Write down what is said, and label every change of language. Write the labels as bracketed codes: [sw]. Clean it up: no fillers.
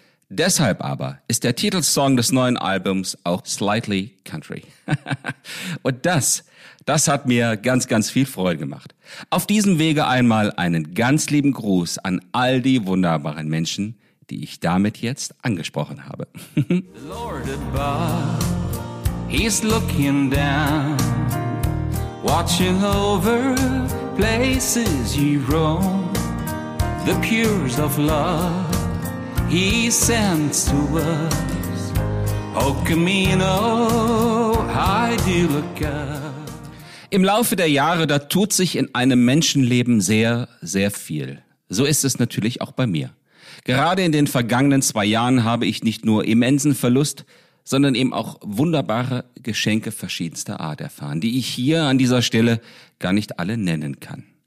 [de] Deshalb aber ist der Titelsong des neuen Albums auch Slightly Country. Und das hat mir ganz, ganz viel Freude gemacht. Auf diesem Wege einmal einen ganz lieben Gruß an all die wunderbaren Menschen, die ich damit jetzt angesprochen habe. [en] The Lord above, he's looking down, watching over places you roam. The purest of love, he sends to us. O Camino, I do look up. [de] Im Laufe der Jahre, da tut sich in einem Menschenleben sehr, sehr viel. So ist es natürlich auch bei mir. Gerade in den vergangenen 2 Jahren habe ich nicht nur immensen Verlust, sondern eben auch wunderbare Geschenke verschiedenster Art erfahren, die ich hier an dieser Stelle gar nicht alle nennen kann.